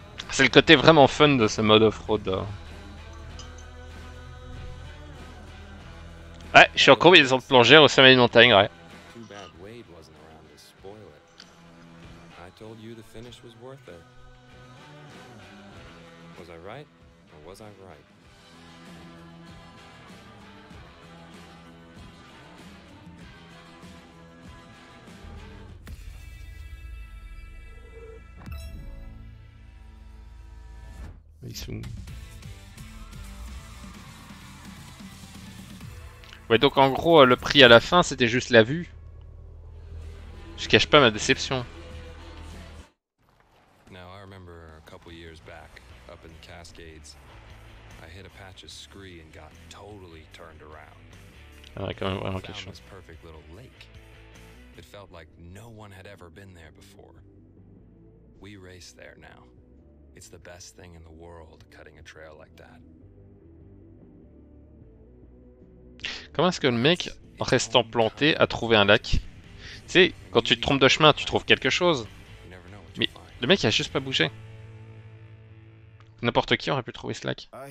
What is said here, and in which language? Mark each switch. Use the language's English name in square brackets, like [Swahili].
[French] C'est le côté vraiment fun de ce mode off-road. Ouais, je suis en courbe, ils ont plongé au sommet d'une montagne, ouais. [English] Too bad Wade wasn't around to spoil it. I told you the finish was worth it. Was I right? Or was I right? [French] Ouais, donc en gros le prix à la fin c'était juste la vue. Je cache pas ma déception. [English] Now I remember a couple years back up in the Cascades, I hit a patch of scree and got totally turned around. Perfect little lake. It felt like no one had ever been there before. We race there now. It's the best thing in the world, cutting a trail like that. [French] Comment est-ce que le mec, en restant planté, a trouvé un lac? Tu sais, quand tu te trompes de chemin, tu trouves quelque chose. Mais le mec a juste pas bougé. N'importe qui aurait pu trouver ce lac.